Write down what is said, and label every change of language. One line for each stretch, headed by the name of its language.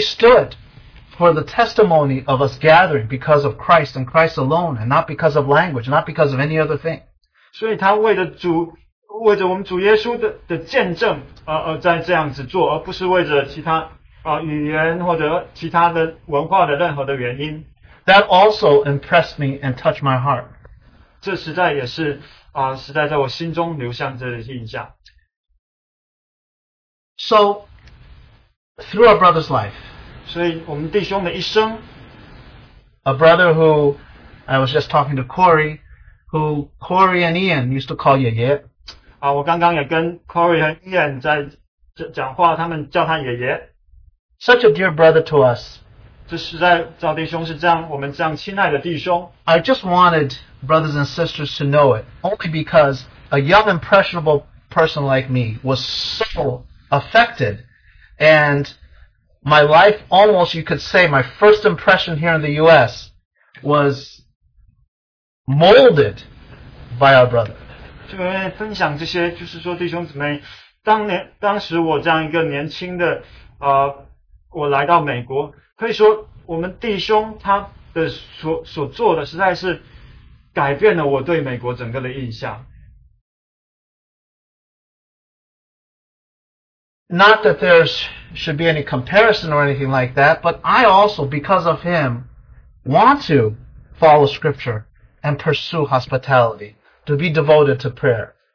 English: stood for the testimony of us gathering because of Christ and Christ alone, and not because of language, not because of any other thing.
Chinese: 所以他为了主，为着我们主耶稣的见证，而在这样子做，而不是为着其他。
English: That also impressed me and touched my heart.
Chinese: 这实在也是实在在我心中留下这个印象。
English: So, through our brother's life,
Chinese: 所以我们弟兄的一生,
English: a brother who I was just talking to Corey, who Corey and Ian used to call 爷爷.
Chinese: 我刚刚也跟 Corey 和 Ian 在讲话，他们叫他爷爷。
English: Such a dear brother to us.
Chinese: 这实在赵弟兄是这样，我们这样亲爱的弟兄。
English: I just wanted brothers and sisters to know it, only because a young impressionable person like me was so affected, and my life almost, you could say, my first impression here in the U.S. was molded by our brother.
Chinese: 就分享这些，就是说弟兄姊妹，当时我这样一个年轻的， 我来到美国，可以说我们弟兄他的所做的，实在是改变了我对美国整个的印象。
English: Not that there should be any comparison or anything like that, but I also, because of him, want to follow Scripture and pursue hospitality, to be devoted to prayer.